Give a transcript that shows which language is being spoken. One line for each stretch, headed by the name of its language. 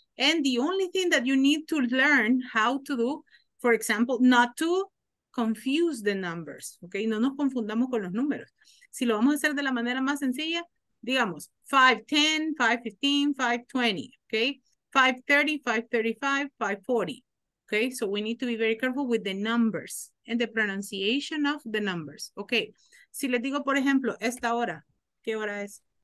English: And the only thing that you need to learn how to do, for example, not to confuse the numbers, okay?
Spanish: No nos confundamos con los números. Si lo vamos a hacer de la manera más sencilla, digamos, 5:10, 5:15, 5:20, okay? 5:30, 5:35, 5:40, okay?
English: So we need to be very careful with the numbers and the pronunciation of the numbers, okay?
Spanish: Si les digo, por ejemplo, esta hora, ¿qué hora es?